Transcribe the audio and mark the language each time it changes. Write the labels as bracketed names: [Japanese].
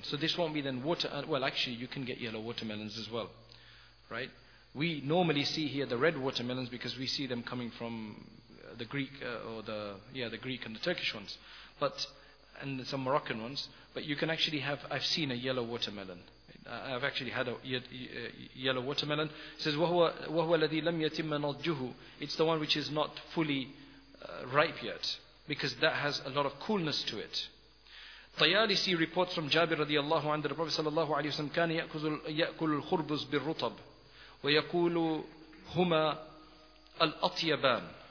[English] So this won't be then water. Well, actually you can get yellow watermelons as well, right? We normally see here the red watermelons because we see them coming from the Greek the Greek and the Turkish ones, and some Moroccan ones. But you can actually have, I've seen a yellow watermelon. I've actually had a yellow watermelon. It says [Arabic] وَهُوَ الَّذِي لَمْ يَتِمَّ نَضْجُهُ. [English] It's the one which is not fully ripe yet, because that has a lot of coolness to it. Tayalisi reports from Jabir radiallahu anhu, the Prophet sallallahu alayhi wa sallam, [Arabic] كان يأكل الخربز بالرطب ويقول هما الأطيبان.